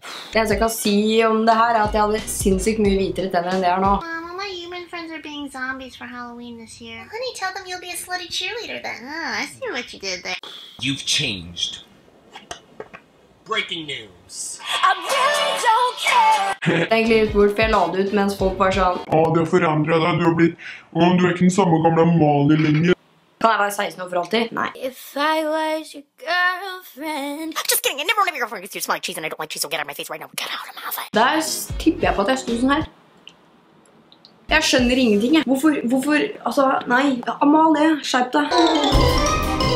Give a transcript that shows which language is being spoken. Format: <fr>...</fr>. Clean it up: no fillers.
<no>Det eneste jeg kan si om det her er at jeg hadde sinnssykt mye hvitere tenner enn det her nå.</no> <en>Mom, all my human friends are being zombies for Halloween this year. Honey, tell them you'll be a slutty cheerleader then. Oh, I see what you did there. You've changed. Breaking news. I really don't care!</en> <no>Det er egentlig litt bort, for jeg la det ut mens folk var sånn. Åh, det har forandret deg. Du har blitt... Åh, du er ikke den samme gamle Mali lenger. Kan jeg være 16 år for alltid? Nei.</no> <en>If I was your girlfriend... Just kidding, I never want to be your girlfriend. You smell like cheese and I don't like cheese, so get out of my face right now. Get out of my face.</en> <no>Der tipper jeg på at jeg stod sånn her. Jeg skjønner ingenting, jeg. Hvorfor, altså, nei. Amalie, skjerp deg.</no>